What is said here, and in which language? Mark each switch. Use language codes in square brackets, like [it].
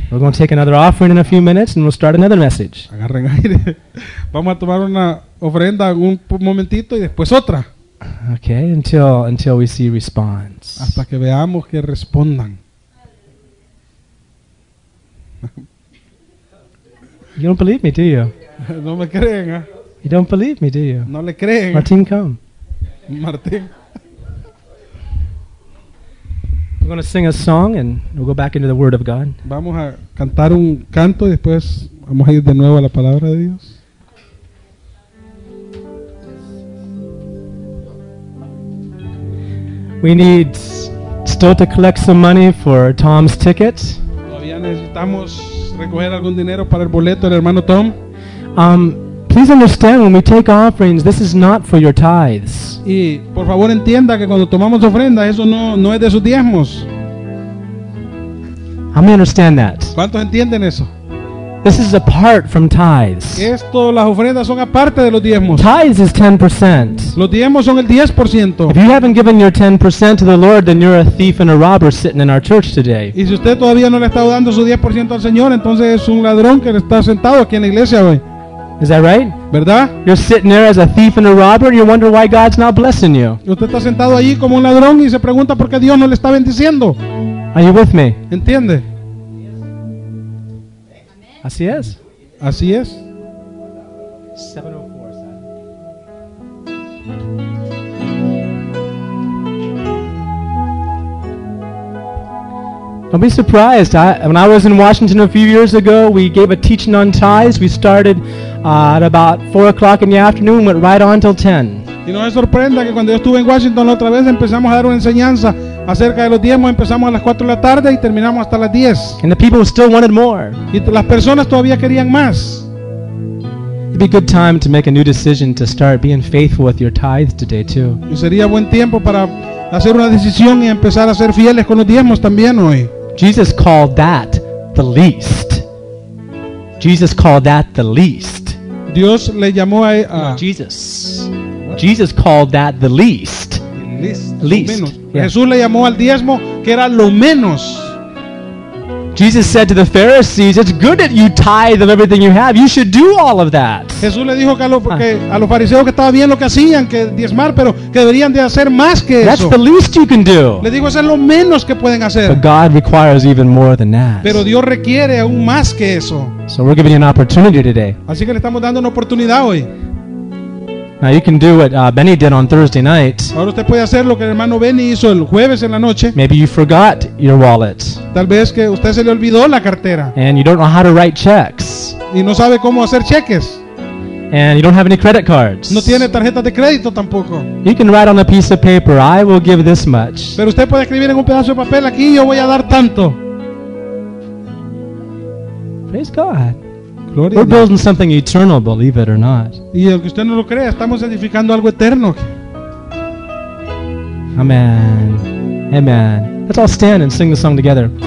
[en] we're going to take another offering in a few minutes and we'll start another message. [es] Agarren aire. Vamos a tomar una ofrenda un momentito y después otra. [en] Okay, until we see response. [es] Hasta que veamos que respondan. [en] You don't believe me, do you? [es] No me creen, ¿eh? [en] You don't believe me, do you? [es] No le creen. [en] Martin, come. Martin. We're going to sing a song and we'll go back into the Word of God. [es] Vamos a cantar un canto y después vamos a ir de nuevo a la Palabra de Dios. [en] We need still to collect some money for Tom's ticket. [es] Todavía necesitamos recoger algún dinero para el boleto del hermano Tom. [en] Please understand, when we take offerings, this is not for your tithes. [es] Y por favor entienda que cuando tomamos ofrenda, eso no es de sus diezmos. [en] How many understand that? [es] ¿Cuántos entienden eso? [en] This is apart from tithes. [es] Esto, las ofrendas son aparte de los diezmos. [en] Tithes is 10%. [es] Los diezmos son el 10%. [en] If you haven't given your 10% to the Lord, then you're a thief and a robber sitting in our church today. [es] Y si usted todavía no le está dando su 10% al Señor, entonces es un ladrón que está sentado aquí en la iglesia hoy. [en] Is that right? [es] ¿Verdad? [en] You're sitting there as a thief and a robber, and you wonder why God's not blessing you. [es] Usted está sentado ahí como un ladrón y se pregunta por qué Dios no le está bendiciendo. [en] Are you with me? [es] ¿Entiende? Así es. Así es. 704. [en] Don't be surprised. When I was in Washington a few years ago, we gave a teaching on tithes. We started at about 4 o'clock in the afternoon, went right on till 10. [es] Y no me sorprenda que cuando yo estuve en Washington otra vez empezamos a dar una enseñanza acerca de los diezmos. Empezamos a las 4 de la tarde y terminamos hasta las 10. [en] And the people still wanted more. [es] Y las personas todavía querían más. [en] It'd be a good time to make a new decision to start being faithful with your tithes today too. [es] Y sería buen tiempo para hacer una decisión y empezar a ser fieles con los diezmos también hoy. [en] Jesus called that the least. Jesus called that the least. [es] Dios le llamó a [en] Jesus. Jesus called that the least. Least. [es] Jesús le llamó al diezmo que era lo menos. [en] Jesus said to the Pharisees, "It's good that you tithe of everything you have. You should do all of that." [es] Jesús le dijo a los fariseos que estaba bien lo que hacían, que diezmar, pero que deberían de hacer más que eso. [en] That's the least you can do. [es] Le dijo, eso es lo menos que pueden hacer. [en] But God requires even more than that. [es] Pero Dios requiere aún más que eso. [en] So we're giving you an opportunity today. [es] Así que le estamos dando una oportunidad hoy. [en] Now you can do what Benny did on Thursday night. [es] Ahora usted puede hacer lo que el hermano Benny hizo el jueves en la noche. [en] Maybe you forgot your wallet. [es] Tal vez que usted se le olvidó la cartera. [en] And you don't know how to write checks. [es] Y no sabe cómo hacer cheques. [en] And you don't have any credit cards. [es] No tiene tarjeta de crédito tampoco. [en] You can write on a piece of paper, "I will give this much." [es] Pero usted puede escribir en un pedazo de papel, "Aquí yo voy a dar tanto." [en] Praise God. We're building something eternal, believe it or not. [es] Y aunque usted no lo crea, estamos edificando algo eterno. [en] Amen. Amen. Let's all stand and sing the song together.